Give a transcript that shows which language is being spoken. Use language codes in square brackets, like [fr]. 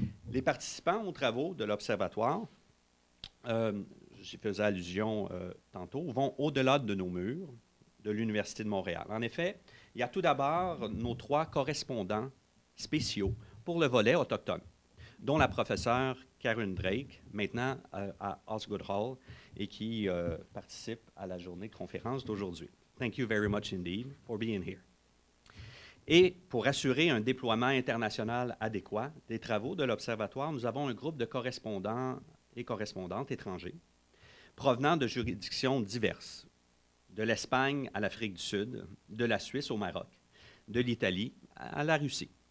[fr] Les participants aux travaux de l'Observatoire, j'y faisais allusion tantôt, vont au-delà de nos murs de l'Université de Montréal. En effet, il y a tout d'abord nos trois correspondants spéciaux pour le volet autochtone, dont la professeure Karen Drake, maintenant à Osgoode Hall, et qui participe à la journée de conférence d'aujourd'hui. [en] Thank you very much indeed for being here. [fr] Et pour assurer un déploiement international adéquat des travaux de l'Observatoire, nous avons un groupe de correspondants et correspondantes étrangers provenant de juridictions diverses, de l'Espagne à l'Afrique du Sud, de la Suisse au Maroc, de l'Italie à la Russie.